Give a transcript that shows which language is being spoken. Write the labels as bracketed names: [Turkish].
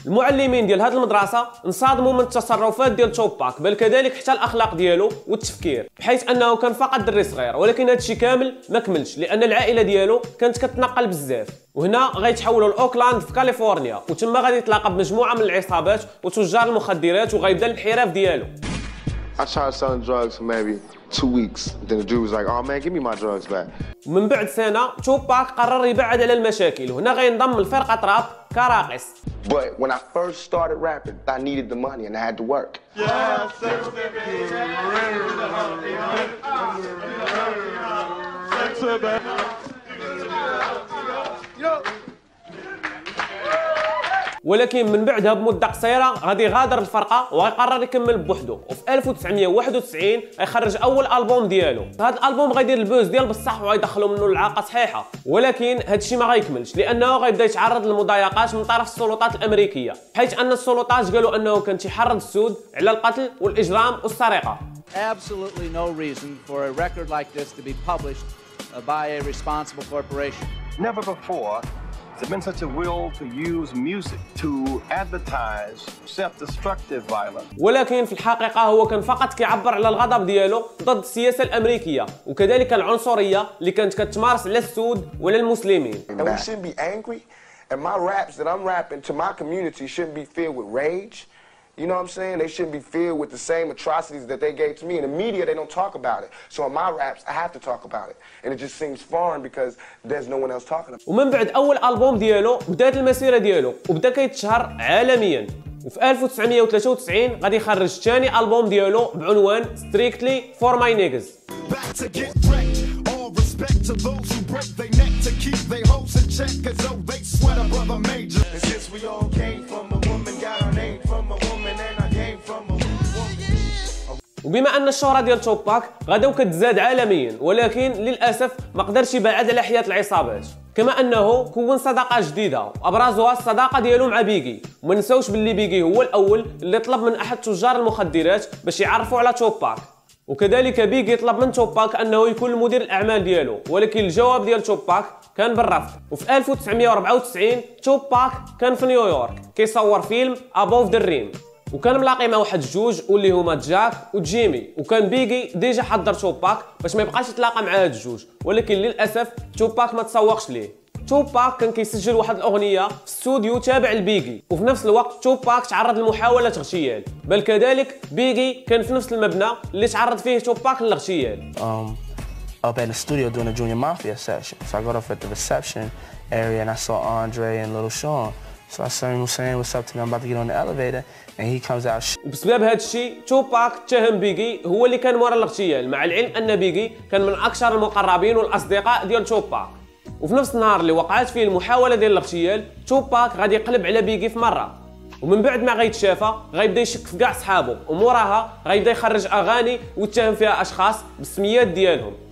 [Arabic] المعلمين ديال هذه المدرسه انصدموا من التصرفات ديال توباك، بل كذلك حتى الاخلاق ديالو والتفكير، بحيث انه كان فقط دري صغير. ولكن هذا الشيء كامل ما كملش، لان العائله ديالو كانت كتنقل بزاف، وهنا غيتحولوا لاوكلاند في كاليفورنيا، وتما غادي يتلاقى بمجموعه من العصابات وتجار المخدرات، وغيبدا الانحراف ديالو. [English] I tried selling drugs for maybe 2 weeks. Then the dude was like, "Oh man, give me my drugs back." [Arabic] ومن بعد سنة، توباك قرر يبعد على المشاكل، وهنا غينضم لفرقة راب كراقص. [English] But when I first started rapping, I needed the money and I had to work. [Arabic] ولكن من بعدها بمدة قصيرة غادي يغادر الفرقة ويقرر يكمل بوحده، وفي 1991 يخرج أول ألبوم ديالو. هذا الألبوم غيدير البوز ديال بصح ويدخلو منه العاقة صحيحة، ولكن هذا الشيء ما غيكملش، لأنه غيبدا يتعرض للمضايقات من طرف السلطات الأمريكية، حيث أن السلطات قالوا أنه كان تيحرض السود على القتل والإجرام والسرقة. [English] Absolutely no reason for a record like this to be published by a responsible corporation. Never before. There's been such a will to use music to advertise self-destructive violence. [Arabic] ولكن في الحقيقة هو كان فقط كيعبر على الغضب ديالو ضد السياسة الأمريكية، وكذلك العنصرية اللي كانت كتمارس على السود وعلى المسلمين. [English] And we shouldn't be angry, and my raps that I'm rapping to my community shouldn't be filled with rage. You know what I'm saying? They shouldn't be filled with the same atrocities that they gave to me. In the media, they don't talk about it. So in my raps, I have to talk about it. And it just seems foreign because there's no one else talking about it. [Arabic] ومن بعد أول ألبوم ديالو بدأت المسيرة ديالو وبدأ كيتشهر عالمياً. وفي 1993 غادي يخرج ثاني ألبوم ديالو بعنوان Strictly For My Niggas. [English] Back to get wrecked. All respect to those who break their neck to keep their hopes in check. As though they sweat a brother major. And since we all came from a woman, got our name from a woman, and I came from a woman. [Arabic] وبما أن الشهرة ديال توباك غادي كتزاد عالميا، ولكن للأسف ما قدرش يبعد على حياة العصابات، كما انه كون صداقه جديده وابرزها الصداقه ديالو مع بيغي. وما نساوش باللي بيغي هو الاول اللي طلب من احد تجار المخدرات باش يعرفوا على توباك، وكذلك بيغي طلب من توباك انه يكون مدير الاعمال ديالو، ولكن الجواب ديال توباك كان بالرفض. وفي 1994 توباك كان في نيويورك كيصور فيلم ابوف ذا ريم، وكان ملاقي مع واحد الجوج واللي هما جاك وجيمي، وكان بيغي ديجا حضر توباك باش ما يبقاش يتلاقى مع هاد الجوج، ولكن للاسف توباك ما تسوقش ليه. توباك كان كيسجل واحد الاغنيه في استوديو تابع لبيغي، وفي نفس الوقت توباك تعرض لمحاوله اغتيال، بل كذلك بيغي كان في نفس المبنى اللي تعرض فيه توباك للاغتيال. [English] up at the studio doing a Junior Mafia session. So I got off at the reception area and I saw Andre and Little Sean. So I saw him saying, what's up to me, I'm about to get on the elevator. And he comes out. [Arabic] بسبب هاد الشيء توباك تهم بيغي هو اللي كان وراء الاغتيال مع العلم أن بيغي كان من أكثر المقربين والأصدقاء ديال توباك. وفي نفس النهار اللي وقعت فيه المحاولة ديال الاغتيال توباك غادي يقلب على بيغي في مرة. ومن بعد ما غيتشافى غيبدا يشك في كاع صحابه وموراها غيبدا يخرج اغاني ويتهم فيها اشخاص بالسميات ديالهم.